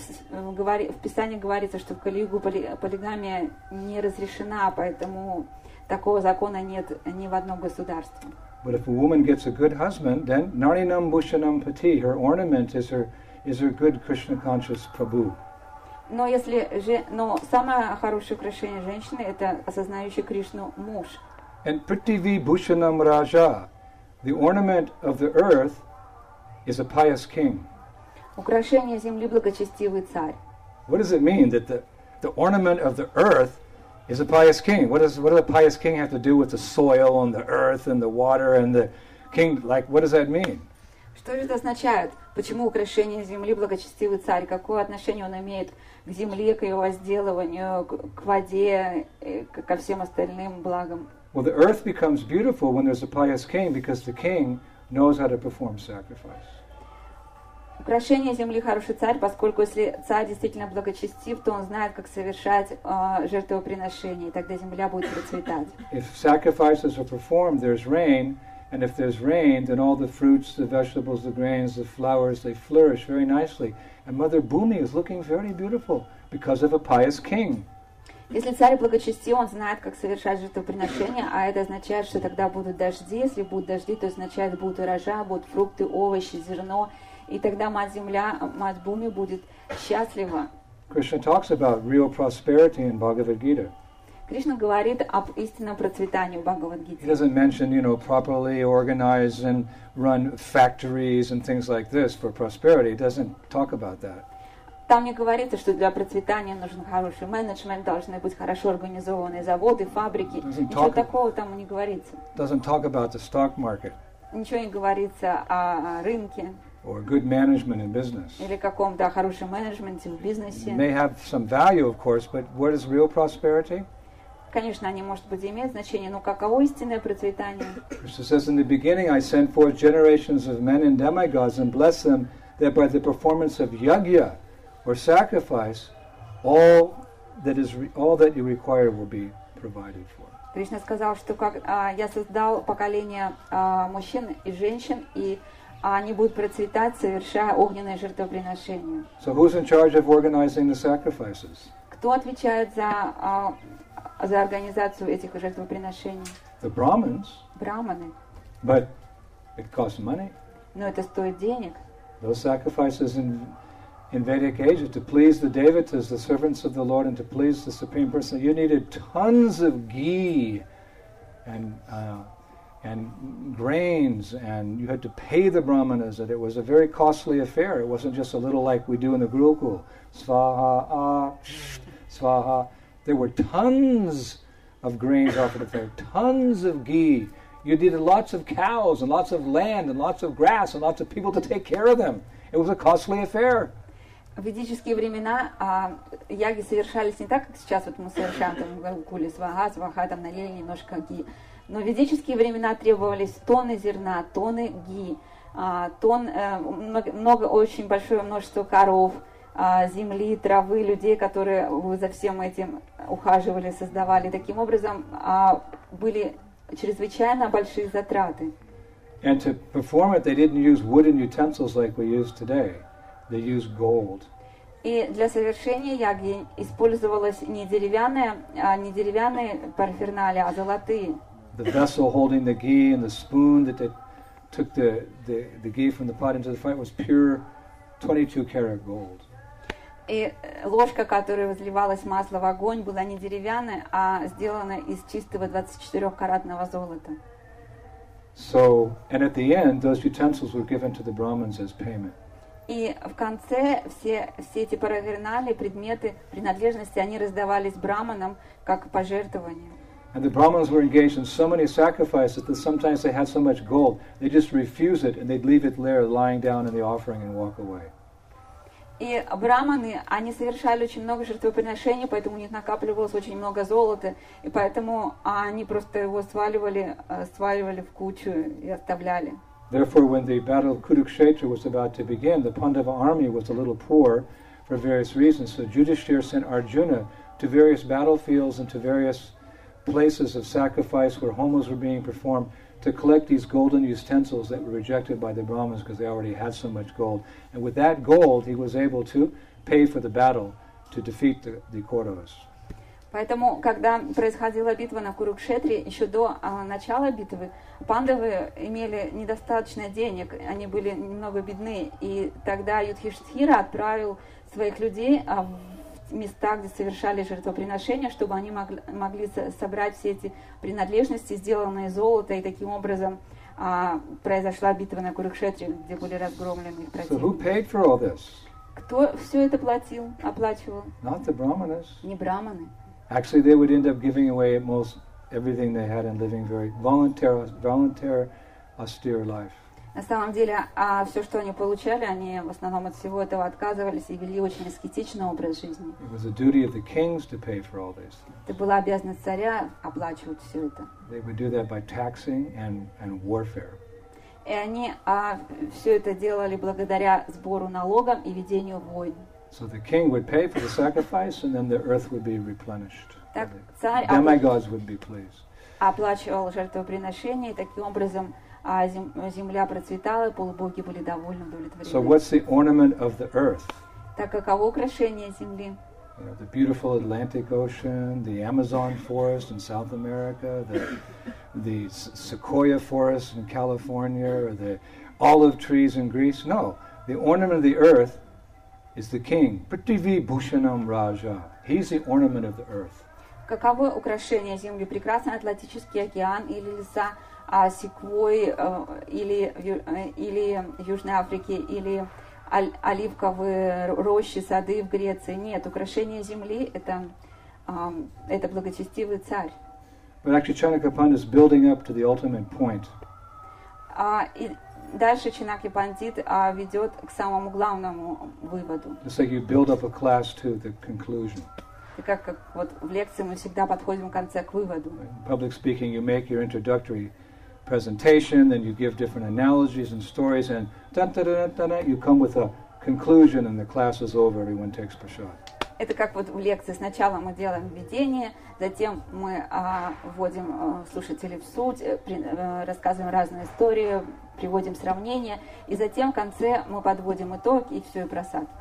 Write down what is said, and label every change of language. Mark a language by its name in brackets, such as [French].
[Russian] В Писании говорится, что в Кали-Югу полигамия не разрешена, поэтому такого закона нет ни в одном государстве. [English] But if a woman gets a good husband, then [Sanskrit] Narinam Bhushanam Pati, [English] her ornament is her good Krishna conscious Prabhu. [Russian] Но самое хорошее украшение женщины это осознающий Кришну муж. [English] And [Sanskrit] Prithivi Bhushanam Raja, [English] the ornament of the earth is a pious king. [Russian] Украшение земли благочестивый царь. [English] What does it mean that the ornament of the earth is a pious king? What does a pious king have to do with the soil and the earth and the water and the king? Like, what does that mean? [Russian] Что же это означает? Почему украшение земли благочестивый царь? Какое отношение он имеет к земле, к ее возделыванию, к воде, ко всем остальным благам? [English] Well, the earth becomes beautiful when there's a pious king because the king knows how to perform sacrifice. [Russian] Украшение земли хороший царь, поскольку если царь действительно благочестив, то он знает, как совершать жертвоприношение, и тогда земля будет процветать. [English] If sacrifices are performed, there's rain, and if there's rain, then all the fruits, the vegetables, the grains, the flowers, they flourish very nicely. And Mother Bhumi is looking very beautiful because of a pious king. [Russian] Если царь благочестив, он знает, как совершать жертвоприношение, а это означает, что тогда будут дожди. Если будут дожди, то означает, будут урожаи, будут фрукты, овощи, зерно. И тогда мать-земля, мать-бхуми будет счастлива. [English] Krishna talks about real prosperity in Bhagavad Gita. [Russian] Кришна говорит об истинном процветании в Бхагавад-гите. [English] He doesn't mention, you know, properly organize and run factories and things like this for prosperity. He doesn't talk about that. [Russian] Там не говорится, что для процветания нужен хороший менеджмент, должны быть хорошо организованные заводы, фабрики. Ничего такого там не говорится. [English] Doesn't talk about the stock market. [Russian] Ничего не говорится о рынке. [English] or good management in business. [Russian] Или каком-то хорошем менеджменте в бизнесе. [English] May have some value, of course, but what is real prosperity? [Russian] Конечно, они, может быть, имеют значение, но каково истинное процветание? [English] Krishna says, in the beginning, I sent forth generations of men and demigods and blessed them that by the performance of yagya, or sacrifice, all that you require will be provided for. [Russian] Кришна сказал, что как я создал поколение мужчин и женщин, и они будут процветать, совершая огненное жертвоприношение. [English] So who's in charge of organizing the sacrifices? [Russian] Кто отвечает за за организацию этих жертвоприношений? [English] The Brahmins. [Russian] Браманы. [English] But it costs money. [Russian] Но это стоит денег. [English] Those sacrifices in Vedic age, to please the devatas, the servants of the Lord, and to please the Supreme Person, you needed tons of ghee and grains, and you had to pay the brahmanas, and it was a very costly affair. It wasn't just a little like we do in the Gurukul. Svaha. There were tons of grains offered up there, tons of ghee. You needed lots of cows, and lots of land, and lots of grass, and lots of people to take care of them. It was a costly affair. [Russian] В ведические времена яги совершались не так, как сейчас вот мы совершаем там в Гурукуле, сваха, там налили немножко ги. Но в ведические времена требовались тонны зерна, тонны ги, очень большое множество коров, земли, травы, людей, которые за всем этим ухаживали, создавали. Таким образом, были чрезвычайно большие затраты. [English] And to perform it, they didn't use wooden utensils like we use today. They used gold. [Russian] И для совершения яги использовалось не деревянные парафернали, а золотые. [English] The vessel holding the ghee and the spoon that they took the ghee from the pot into the fire was pure 22 karat gold. [Russian] И ложка, которой возливалось масло в огонь, была не деревянная, а сделана из чистого 24-каратного золота. [English] So, and at the end, those utensils were given to the Brahmins as payment. [Russian] И в конце все эти паравернали, предметы, принадлежности, они раздавались браманам как пожертвование. [English] And the Brahmins were engaged in so many sacrifices that sometimes they had so much gold, they just refuse it and they'd leave it there lying down in the offering and walk away. [Russian] И браманы, они совершали очень много жертвоприношений, поэтому у них накапливалось очень много золота, и поэтому они просто его сваливали в кучу и оставляли. [English] Therefore, when the battle of Kurukshetra was about to begin, the Pandava army was a little poor for various reasons. So Yudhishthira sent Arjuna to various battlefields and to various places of sacrifice where homas were being performed to collect these golden utensils that were rejected by the Brahmins because they already had so much gold. And with that gold, he was able to pay for the battle to defeat the Kauravas. [Russian] Поэтому, когда происходила битва на Курукшетре, еще до начала битвы, пандавы имели недостаточно денег, они были немного бедны, и тогда Юдхиштхира отправил своих людей в места, где совершали жертвоприношения, чтобы они могли собрать все эти принадлежности, сделанные из золота, и таким образом произошла битва на Курукшетре, где были разгромлены их противники. [English] So who paid for all this? [Russian] Кто все это платил, оплачивал? [English] Not the brahmanas. [Russian] Не браманы. [English] Actually, they would end up giving away most everything they had and living very voluntary, austere life. [Russian] На самом деле, все, что они получали, они в основном от всего этого отказывались и вели очень аскетичный образ жизни. [English] It was the duty of the kings to pay for all this. [Russian] Это была обязанность царя оплачивать все это. [English] They would do that by taxing and warfare. [Russian] И они все это делали благодаря сбору налогов и ведению войн. [English] So the king would pay for the sacrifice, and then the earth would be replenished. [Russian] Так, [English] the demigods would be pleased. [Russian] Оплачивал жертвоприношение, и таким образом земля процветала, полубоги были довольны, удовлетворены. [English] So what's the ornament of the earth? [Russian] Так каково украшение земли? [English] You know, the beautiful Atlantic Ocean, the Amazon forest in South America, the sequoia forest in California, or the olive trees in Greece. No, the ornament of the earth is the king, [Sanskrit] Prithivi Bhushanam Raja. [English] He's the ornament of the earth. [Russian] Каково украшение земли? Прекрасный Атлантический океан или леса секвой или Южной Африки или оливковые рощи, сады в Греции? Нет, украшение земли это благочестивый царь. [English] But actually, Chanakya Panda is building up to the ultimate point. [Russian] дальше Чинаки Пандит ведет к самому главному выводу. [English] It's like you build up a class to the conclusion. [Russian] И как вот в лекции мы всегда подходим в конце к выводу. [English] In public speaking, you make your introductory presentation, then you give different analogies and stories, and dun-dun-dun-dun-dun, you come with a conclusion, and the class is over. Everyone takes prasad. [Russian] Это как вот в лекции. Сначала мы делаем введение, затем мы вводим слушателей в суть, рассказываем разные истории, приводим сравнения, и затем в конце мы подводим итог и все, и просад.